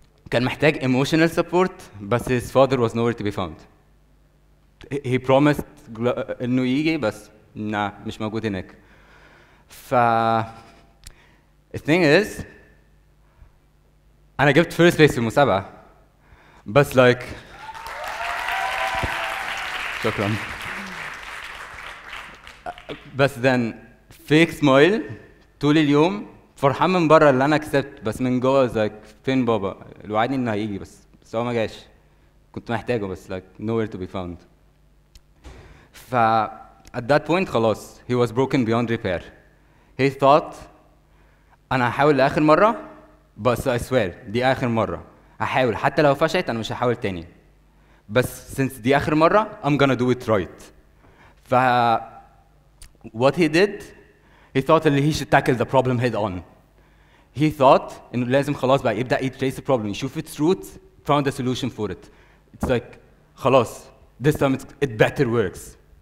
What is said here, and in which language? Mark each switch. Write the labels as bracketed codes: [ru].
[ar] كان محتاج [en] emotional support بس his father was nowhere to be found he promised [ar] انه يجي بس [en] nah, [ar] مش موجود هناك ف [en] The thing is, and I gave first place in Musaba, but like, shukran. But then, fake smile, [ar] طول اليوم, فرحان من برا اللي انا كسبت, بس من جوه [en] is like, [ar] فين بابا؟ اللي وعدني انه هيجي بس, بس هو ما جاش. كنت محتاجه بس [en] like, nowhere to be found. ف at that point, خلاص, he was broken beyond repair. He thought, [ar] أنا هحاول لآخر مرة بس [en] I swear [ar] دي آخر مرة هحاول حتى لو فشلت أنا مش هحاول تاني بس since دي آخر مرة [en] I'm gonna do it right [ar] ف [en] what he did he thought that he should tackle the problem head on he thought [ar] إنه لازم خلاص بقى يبدأ يتريس [en] the problem يشوف its root found a solution for it it's like خلاص this time it's, it better works